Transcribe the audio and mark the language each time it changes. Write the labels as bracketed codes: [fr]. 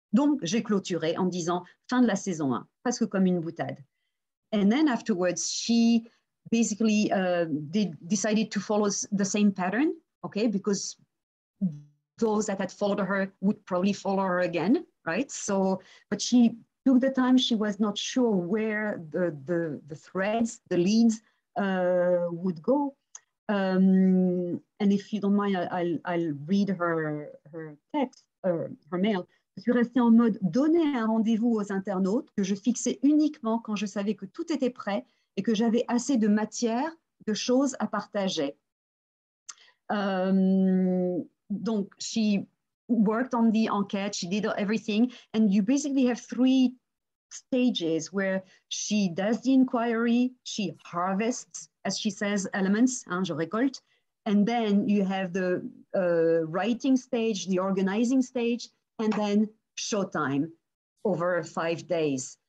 [fr] Donc, j'ai clôturé en disant fin de la saison 1, presque comme une boutade. [en] And then afterwards, she basically decided to follow the same pattern, okay, because those that had followed her would probably follow her again, right? So, but she took the time, she was not sure where the threads, the leads would go. And if you don't mind, I'll read her text, her mail. [fr] Je suis restée en mode donner un rendez-vous aux internautes que je fixais uniquement quand je savais que tout était prêt et que j'avais assez de matière, de choses à partager. [en] Donc, she worked on the enquête, she did everything, and you basically have three stages where she does the inquiry, she harvests, as she says, elements, [fr] hein, je récolte, [en] and then you have the writing stage, the organizing stage, and then showtime over 5 days.